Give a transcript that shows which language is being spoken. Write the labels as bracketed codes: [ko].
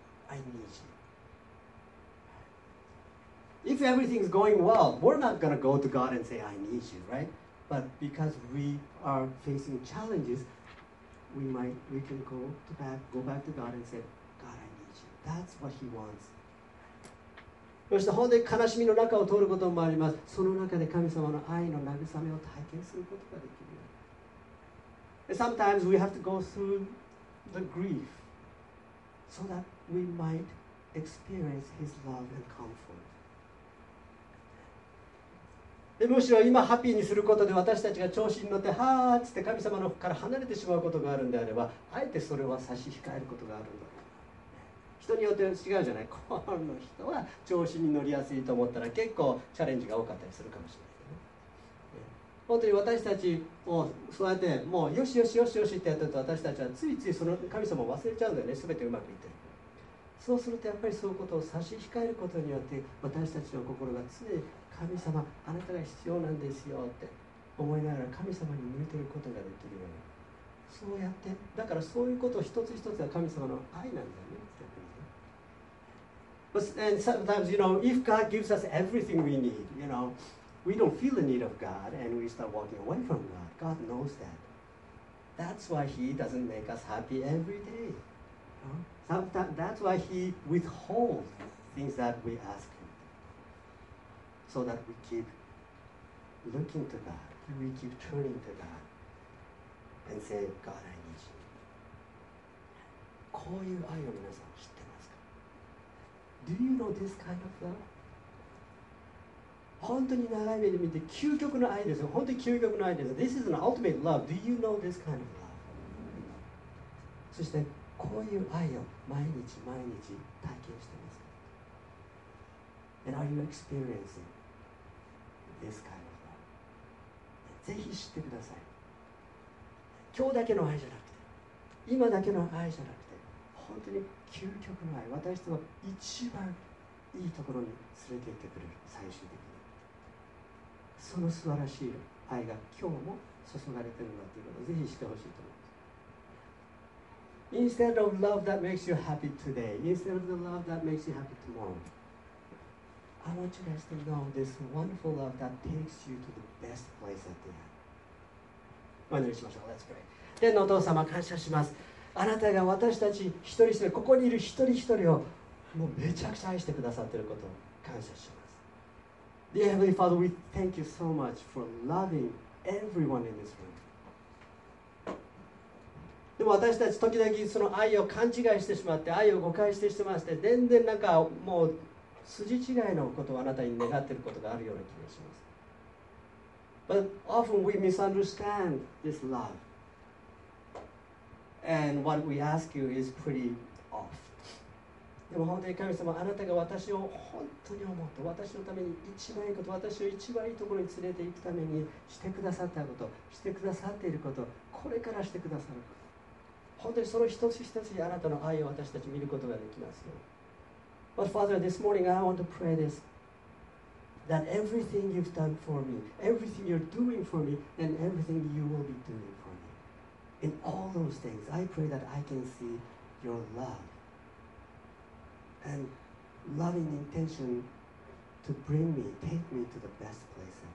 [en] I need you. If everything's going well, we're not going to go to God and say, I need you, right? But because we are facing challenges, we can go back to God and say, God, I need you. That's what He wants. [ja] そして本当に悲しみの中を通ることもあります。その中で神様の愛の慰めを体験することができる。 [en] Sometimes we have to go through the grief so that we might experience His love and comfort. [ja] むしろ今ハッピーにすることで私たちが調子に乗ってはーっつって神様のから離れてしまうことがあるんであればあえてそれは差し控えることがあるんだ。人によって違うじゃない。この人は調子に乗りやすいと思ったら結構チャレンジが多かったりするかもしれない、ね、本当に私たちもそうやってもうよしよしよしよしってやってると私たちはついついその神様を忘れちゃうんだよね。全てうまくいってる。そうするとやっぱりそういうことを差し控えることによって私たちの心が常に神様、あなたが必要なんですよって思いながら神様に向いていることができるように、そうやって、だからそういうことを一つ一つが神様の愛なんだよね。 [en] But, and sometimes, you know, if God gives us everything we need, you know, we don't feel the need of God and we start walking away from God. God knows that. That's why He doesn't make us happy every day. Sometimes, that's why He withholds things that we ask. So that we keep looking to God, we keep turning to God and say, God, I need you. [ja] こういう愛を皆さん知ってますか? [en] Do you know this kind of love? [ja] 本当に長い目で見て究極の愛ですよ。本当に究極の愛です。 [en] This is an ultimate love. Do you know this kind of love? [ja] そしてこういう愛を毎日毎日体験してますか? [en] And are you experiencing? This kind of love. [ja] ぜひ知ってください。今日だけの愛じゃなくて、今だけの愛じゃなくて、本当に究極の愛、私とは一番いいところに連れて行ってくれる、最終的に。その素晴らしい愛が今日も注がれているんだということをぜひ知ってほしいと思います。 [en] Instead of love that makes you happy today, instead of the love that makes you happy tomorrow,I want you guys to know this wonderful love that takes you to the best place at the end. [ja] お祈りしましょう。 [en] Let's pray. [ja] 天のお父様、感謝します。あなたが私たち一人一人、ここにいる一人一人をもうめちゃくちゃ愛してくださっていることを感謝します。 [en] Dear Heavenly Father, we thank you so much for loving everyone in this room. [ja] でも私たち時々その愛を勘違いしてしまって、愛を誤解してしまって、全然なんかもう筋違いのことをあなたに願っていることがあるような気がします。 [en] But often we misunderstand this love. And what we ask you is pretty off. [ja] でも本当に神様、あなたが私を本当に思って、私のために一番いいこと、私を一番いいところに連れて行くためにしてくださったこと、してくださっていること、これからしてくださること。本当にその一つ一つにあなたの愛を私たち見ることができますよ。 [en] But Father, this morning I want to pray this, that everything you've done for me, everything you're doing for me, and everything you will be doing for me, in all those things, I pray that I can see your love and loving intention to bring me, take me to the best place ever.